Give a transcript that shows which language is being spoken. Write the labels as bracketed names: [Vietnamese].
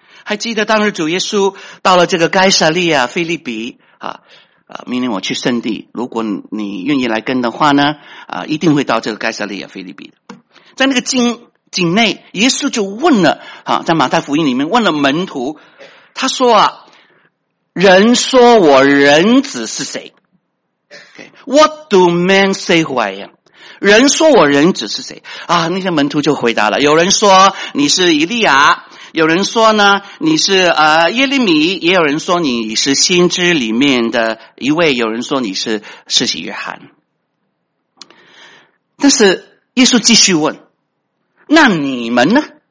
[Chinese] 还记得当日主耶稣到了这个该撒利亚腓立比命令我去圣地，如果你愿意来跟的话呢一定会到这个该撒利亚腓立比。在那个境内，耶稣就问了在马太福音里面问了门徒，他说人说我人子是谁？ [English] Okay, What do men say who I am? [Chinese] 人说我人子是谁啊？那些门徒就回答了，有人说你是以利亚，有人说呢你是耶利米，也有人说你是先知里面的一位，有人说你是施洗约翰。但是耶稣继续问，那你们呢？